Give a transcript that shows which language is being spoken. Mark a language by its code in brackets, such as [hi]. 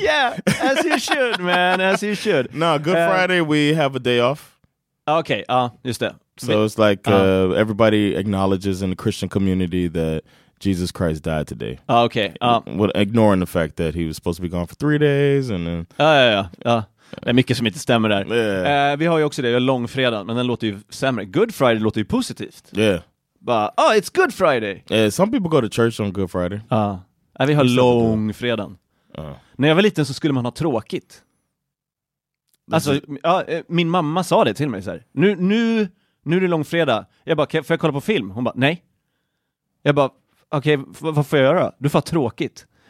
[en] Yeah, as you should, man, as you should. No, Good Friday, we have a day off. Okay, just that. So it's like everybody acknowledges in the Christian community that Jesus Christ died today. Okay. Ignoring the fact that he was supposed to be gone for 3 days. And then, [sv] Det är mycket som inte stämmer där. [en] Yeah. [sv] Vi har ju också det, långfredag, men den låter ju sämre. Good Friday låter ju positivt. [en] Yeah. But, it's Good Friday. Yeah, some people go to church on Good Friday. [sv] Vi har långfredagen. När jag var liten så skulle man ha tråkigt. Min mamma sa det till mig så här. Nu är det långfredag. Jag bara, får jag kolla på film? Hon bara, nej. Jag bara, okej, vad får jag göra? Du får ha tråkigt.